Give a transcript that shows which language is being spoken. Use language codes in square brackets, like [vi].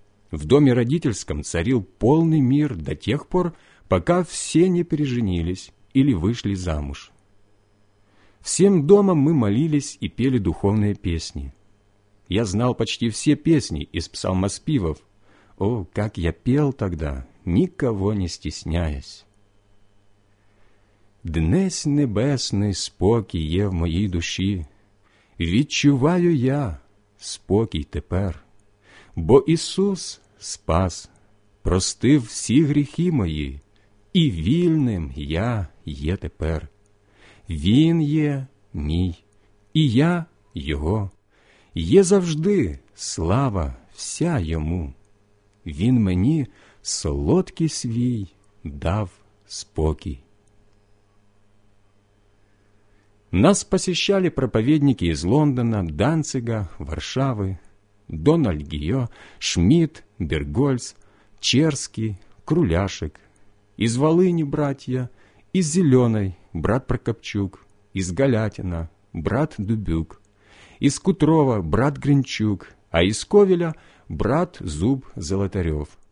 [ru] В доме родительском царил полный мир до тех пор, пока все не переженились или вышли замуж. Всем домом мы молились и пели духовные песни. Я знал почти все песни из псалмоспевов. О, как я пел тогда, никого не стесняясь. [uk] «Днесь небесний спокій є в моїй душі, відчуваю я спокій тепер, бо Ісус спас, простив всі гріхи мої, і вільним я є тепер. Він є мій, і я його. Є завжди слава вся йому. Він мені солодкий свій дав спокій». [ru] Нас посещали проповедники из Лондона, Данцига, Варшавы, Дональд Гио, Шмидт, Бергольц, Черский, Круляшек, из Волыни братья, из Зеленой брат Прокопчук, из Галятина брат Дубюк, из Кутрова брат Гринчук, а из Ковеля брат Зуб Золотарев.